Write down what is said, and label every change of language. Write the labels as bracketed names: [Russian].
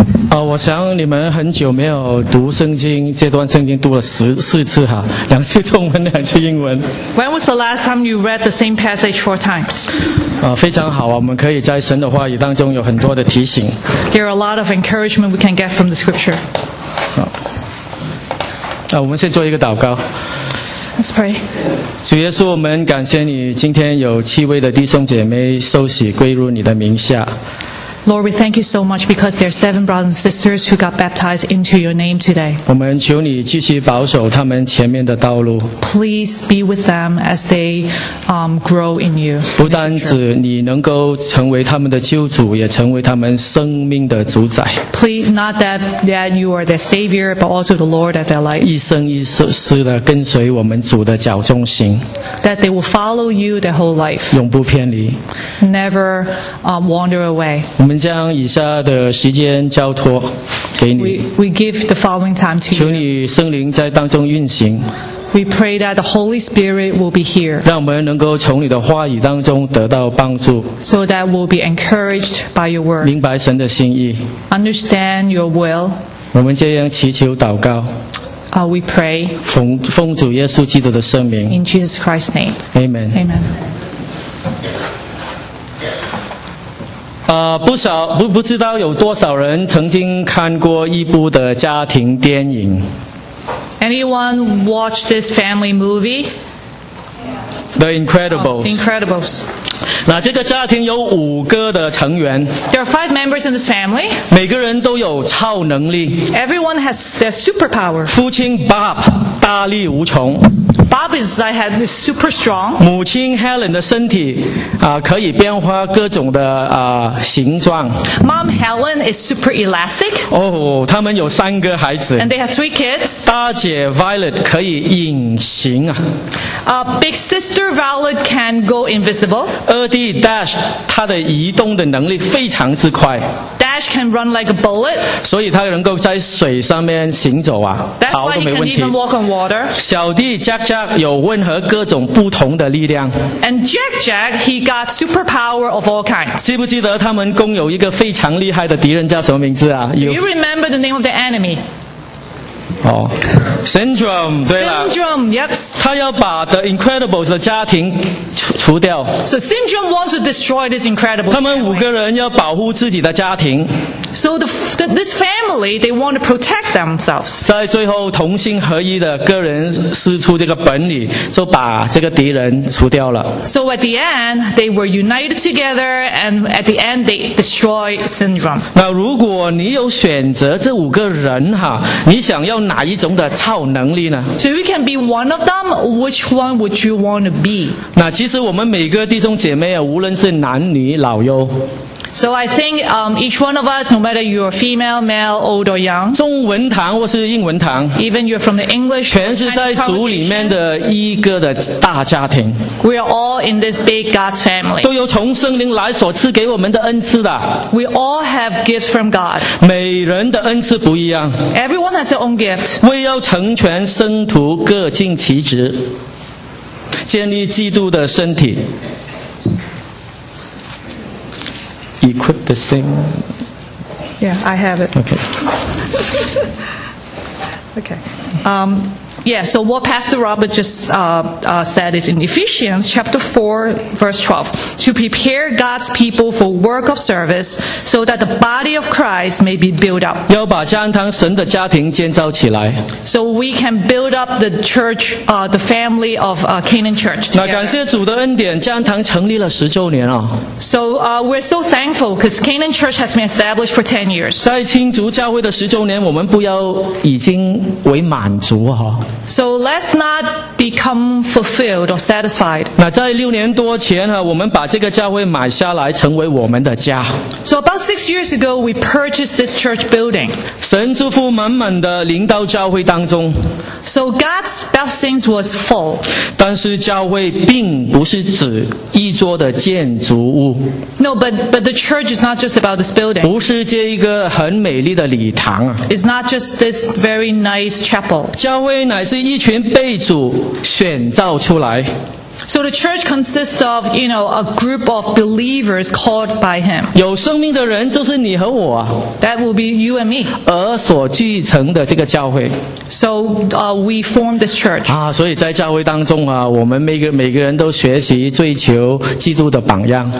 [Chinese] 我想你们很久没有读圣经，这段圣经读了14次哈，两次中文，两次英文。 [English] When was the last time you read the same passage 4 times? [Chinese] 非常好，我们可以在神的话语当中有很多的提醒。 [English] There are a lot of encouragement we can get from the scripture. [Chinese] 我们先做一个祷告。 [English] Let's pray. [Chinese] 主耶稣，我们感谢你，今天有7位的弟兄姐妹受洗归入你的名下。 [English] Lord, we thank you so much because there are seven brothers and sisters who got baptized into your name today. [Chinese] 我们求你继续保守他们前面的道路。 [English] Please be with them as they grow in you. [Chinese] 不单只你能够成为他们的救主，也成为他们生命的主宰。 [English] Please, not that, that you are their savior, but also the Lord of their life. [Chinese] 一生一世的跟随我们主的脚中行。 [English] That they will follow you their whole life. [Chinese] 永不偏离。 [English] Never wander away. [Chinese] 我们将以下的时间交托给你。 [English] We give the following time to you. [Chinese] 求你圣灵在当中运行。 [English] We pray that the Holy Spirit will be here. [Chinese] 让我们能够从你的话语当中得到帮助。 [English] So that we'll be encouraged by your word. [Chinese] 明白神的心意。 [English] Understand your will. [Chinese] 我们这样祈求祷告。 [English] We pray. [Chinese] 奉主耶稣基督的圣名。 [English] In Jesus Christ's name. Amen. Amen. [Chinese] 不知道有多少人曾经看过一部的家庭电影。 [English] Anyone watch this family movie? The Incredibles. Incredibles. [Chinese] 那这个家庭有五个的成员。 [English] There are five members in this family. [Chinese] 每个人都有超能力。 [English] Everyone has their superpower. [Chinese] 父亲 Bob 大力无穷。 [English] Bob is like super strong. [Chinese] 母亲 Helen 的身体可以变化各种的形状。 [English] Mom Helen is super elastic. [Chinese] 他们有三个孩子。 [English] And they have three kids. [Chinese] 大姐 Violet 可以隐形啊。 [English] Big sister Violet can go invisible. [Chinese] 二弟 Dash 他的移动的能力非常之快。 [English] Dash can run like a bullet. [Chinese] 所以他能够在水上面行走啊，跑都没问题。 [English] That's why he can even walk on water. [Chinese] 小弟 Jack Jack 有任何各种不同的力量。 [English] And Jack Jack he got superpower of all kinds. [Chinese] 记不记得他们共有一个非常厉害的敌人叫什么名字啊？ [English] You remember the name of the enemy? [Chinese] Syndrome. 对了。 [English] Syndrome. Yep. [Chinese] 他要把 The Incredibles 的家庭。除掉。 [English] So Syndrome wants to destroy this incredible. [Chinese] 他们五个人要保护自己的家庭。 [English] So this family they want to protect themselves. [Chinese] 在最后同心合一的个人施出这个本领，就把这个敌人除掉了。 [English] So at the end they were united together and at the end they destroyed Syndrome. [Chinese] 那如果你有选择这五个人哈，你想要哪一种的超能力呢？ [English] So you can be one of them. Which one would you want to be? [Chinese] 那其实我们每个弟兄姐妹啊，无论是男女老幼。 [English] So I think each one of us, no matter you are female, male, old or young, [Chinese] 中文堂或是英文堂， [English] even you're from the English, [Chinese] 全是在主里面的一个的大家庭。 [English] We are all in this big God's family. [Chinese] 都有从圣灵来所赐给我们的恩赐的。 [English] We all have gifts from God. [Chinese] 每人的恩赐不一样。 [English] Everyone has their own gift. [Chinese] 为要成全圣徒，各尽其职，建立基督的身体。 [English] Equip the same. Yeah, I have it. Okay. Okay. So what Pastor Robert just said is in Ephesians chapter 4, verse 12, to prepare God's people for work of service so that the body of Christ may be built up. [Chinese] 要把家堂神的家庭建造起来。 [English] So we can build up the church, the family of Canaan Church together. [Chinese] 那感谢主的恩典，家堂成立了十周年啊。 [English] So we're so thankful because Canaan Church has been established for 10 years. [Chinese] 在青竹教会的十周年，我们不要已经为满足啊。 [English] So let's not become fulfilled or satisfied. [Chinese] 那在六年多前啊，我们把这个教会买下来，成为我们的家。 [English] So about 6 years ago, we purchased this church building. [Chinese] 神祝福满满的临到教会当中。 [English] So God's blessings was full. [Chinese] 但是教会并不是指一座的建筑物。 [English] No, but the church is not just about this building. [Chinese] 不是这一个很美丽的礼堂啊。 [English] It's not just this very nice chapel. [Chinese] 教会乃是一群被主选召出来。 [English] So the church consists of, you know, a group of believers called by him. [Chinese] 有生命的人就是你和我。 [English] That will be you and me. [Chinese] 而所聚成的这个教会。 [English] So we form this church. [Chinese] 所以在教会当中啊，我们每个人都学习追求基督的榜样。